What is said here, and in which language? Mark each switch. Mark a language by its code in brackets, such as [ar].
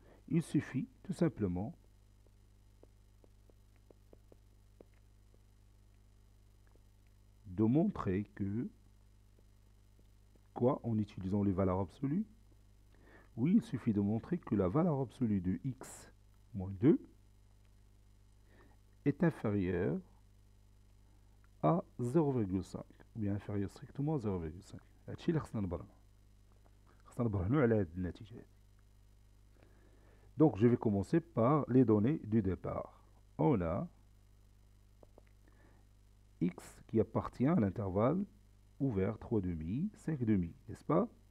[fr] Il suffit tout simplement de montrer que, quoi, en utilisant les valeurs absolues? Oui, il suffit de montrer que la valeur absolue de x moins 2 est inférieure à 0,5, ou bien inférieure strictement à 0,5. [ar] هادشي اللي خصنا نبرهنو. خصنا نبرهنو على هاد النتيجة هادي. [fr] Donc, je vais commencer par les données du départ. On a x qui appartient à l'intervalle ouvert 3 demi, 5 demi, n'est-ce pas?